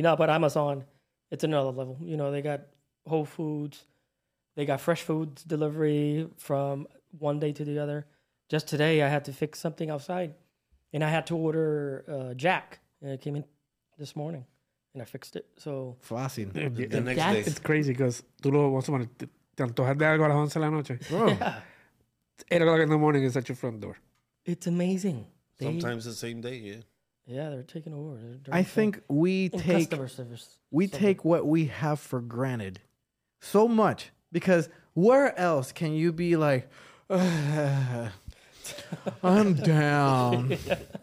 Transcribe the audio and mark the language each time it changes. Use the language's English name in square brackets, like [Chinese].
[English] No, but Amazon, it's another level. You know, they got Whole Foods. They got Fresh Foods delivery from one day to the other. Just today, I had to fix something outside, and I had to order Jack, and it came in this morning, and I fixed it. So, flossing. The next day. It's crazy, because [Spanish] tú lo vas a poner, te antojas de algo a las 11 de la noche. [English] Yeah. 8 o'clock in the morning, it's at your front door. It's amazing. Sometimes the same day, yeah. Yeah, they're taking over. Customer service. We take what we have for granted so much, because where else can you be like, I'm down. Yeah.